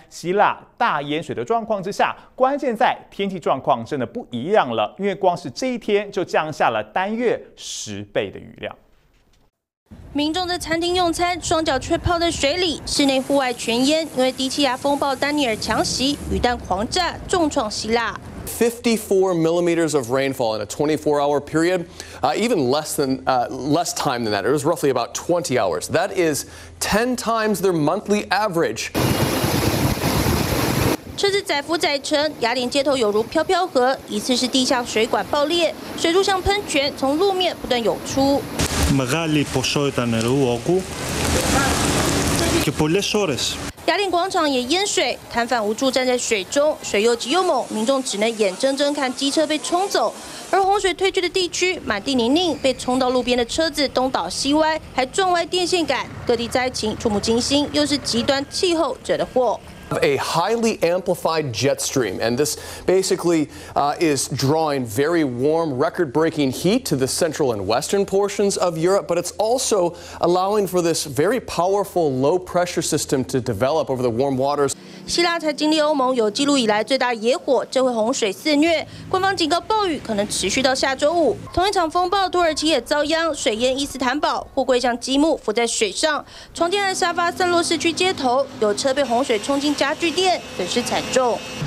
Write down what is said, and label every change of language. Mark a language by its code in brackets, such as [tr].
[zh] 希腊大淹水的状况之下，关键在天气状况真的不一样了，因为光是这一天就降下了单月十倍的雨量。民众在餐厅用餐，双脚却泡在水里，室内户外全淹，因为低气压风暴丹尼尔强袭，雨弹狂炸，重创希腊。 [en] 54 millimeters of rainfall in a 24-hour period, even less time than that. It was roughly about 20 hours. That is 10 times their monthly average. [zh] 车子载浮载沉，雅典街头犹如飘飘河。一次是地下水管爆裂，水柱像喷泉从路面不断涌出。 [el] Μεγάλη ποσό ήταν το όγκο και πολλές ώρες. [zh] 雅典广场也淹水，摊贩无助站在水中，水又急又猛，民众只能眼睁睁看机车被冲走。而洪水退去的地区，满地泥泞，被冲到路边的车子东倒西歪，还撞歪电线杆。各地灾情触目惊心，又是极端气候惹的祸。 [en] A highly amplified jet stream, and this basically is drawing very warm, record-breaking heat to the central and western portions of Europe, but it's also allowing for this very powerful low-pressure system to develop over the warm waters. [zh] 希腊才经历欧盟有记录以来最大野火，这回洪水肆虐，官方警告暴雨可能持续到下周五。同一场风暴，土耳其也遭殃，水淹伊斯坦堡，货柜像积木浮在水上，床垫和沙发散落市区街头，有车被洪水冲进家具店，损失惨重。